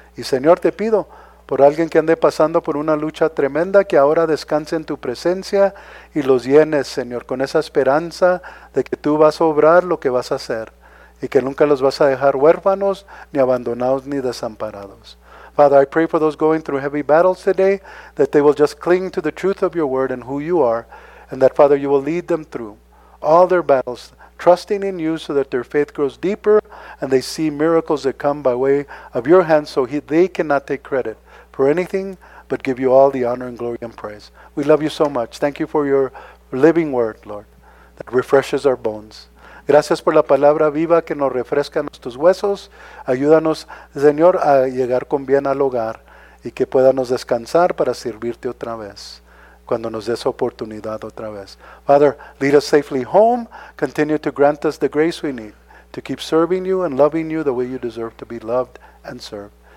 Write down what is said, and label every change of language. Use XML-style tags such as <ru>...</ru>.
<es>Y Señor, te pido por alguien que ande pasando por una lucha tremenda, que ahora descanse en tu presencia y los llenes, Señor, con esa esperanza de que tú vas a obrar lo que vas a hacer y que nunca los vas a dejar huérfanos, ni abandonados, ni desamparados.</es> <en>Father, I pray for those going through heavy battles today, that they will just cling to the truth of your word and who you are, and that, Father, you will lead them through all their battles, trusting in you so that their faith grows deeper and they see miracles that come by way of your hand so they cannot take credit for anything but give you all the honor and glory and praise. We love you so much. Thank you for your living word, Lord, that refreshes our bones.</en> <es>Gracias por la palabra viva que nos refresca nuestros huesos. Ayúdanos, Señor, a llegar con bien al hogar y que podamos descansar para servirte otra vez, cuando nos des oportunidad otra vez.</es> <en>Father, lead us safely home. Continue to grant us the grace we need to keep serving you and loving you the way you deserve to be loved and served.</en>